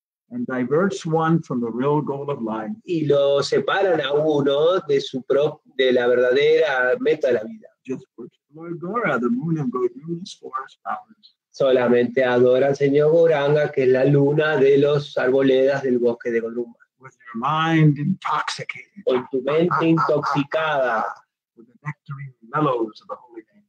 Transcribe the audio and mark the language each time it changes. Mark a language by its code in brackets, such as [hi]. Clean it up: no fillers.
[en] and diverts one from the real goal of life, [es] y lo separan a uno de su de la verdadera meta de la vida. [en] Just worship Lord Gora, the moon of Goruma's forest powers. [es] Solamente adora al señor Gauranga, que es la luna de los arboledas del bosque de Goruma. [en] With your mind intoxicated, [es] con tu mente intoxicada, [en] with the nectarine mellows of the holy name,